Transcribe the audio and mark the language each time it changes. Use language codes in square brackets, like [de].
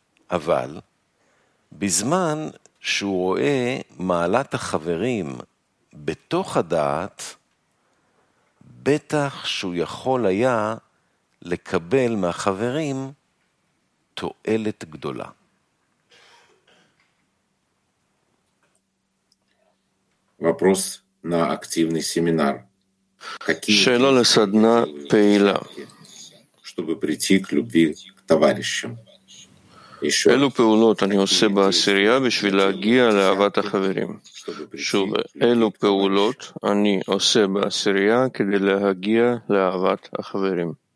[he] אבל בזמן שהוא רואה מעלת החברים בתוך הדעת, בטח שהוא יכול היה לקבל מהחברים תועלת גדולה. [ru] вопрос на активный семинар. [he] שאלה לסדנה פעילה. [ru] чтобы прийти к любви к товарищам. [he] אילו פעולות אני עושה בעשירייה בשביל להגיע לאהבת החברים? שוב, אילו פעולות אני עושה בעשירייה כדי להגיע לאהבת החברים?